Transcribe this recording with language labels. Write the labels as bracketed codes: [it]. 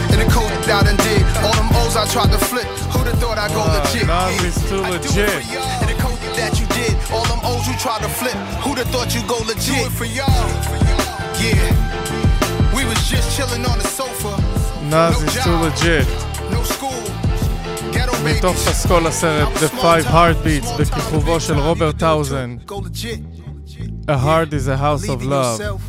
[en] And the coach that I done did. All them O's I tried to flip, who'd have thought I'd go legit? Love is too legit. And the coach that you did. All them O's you tried to flip, who'd have thought you'd go legit? Do it for y'all. Yeah. We was just chilling on the sofa. Nas is too legit. No school. [he] מתוך פסקול הסרט The Five Heartbeats בכיכובו של רוברט טאוזן. [en] A heart is a house of love.